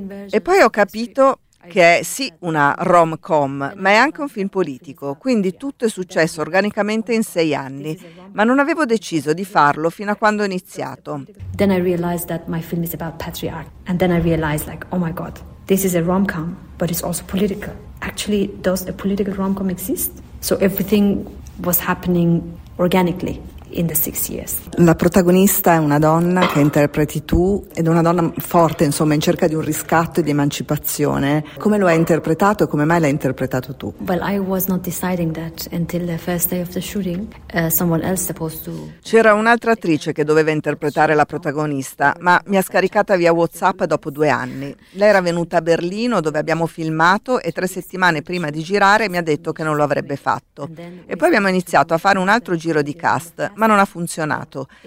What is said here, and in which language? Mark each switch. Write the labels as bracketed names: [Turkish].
[Italian] E poi ho capito che è sì una rom-com, ma è anche un film politico, quindi tutto è successo organicamente in 6 anni, ma non avevo deciso di farlo fino a quando ho iniziato. [English] Then I realized that my film is about patriarchy, and then I realized like, oh my god, this is a rom-com, but it's also political. Actually, does a political rom-com exist? So everything was happening organically. In the 6 years. [Italian] La protagonista è una donna che interpreti tu ed è una donna forte, insomma, in cerca di un riscatto e di emancipazione. Come lo hai interpretato e come mai l'hai interpretato tu? [English] Well, I was not deciding that until the first day of the shooting. Someone else supposed to. [Italian] C'era un'altra attrice che doveva interpretare la protagonista, ma mi ha scaricata via WhatsApp dopo 2 anni. Lei era venuta a Berlino dove abbiamo filmato e 3 settimane prima di girare mi ha detto che non lo avrebbe fatto. E poi abbiamo iniziato a fare un altro giro di cast. Ma non ha funzionato.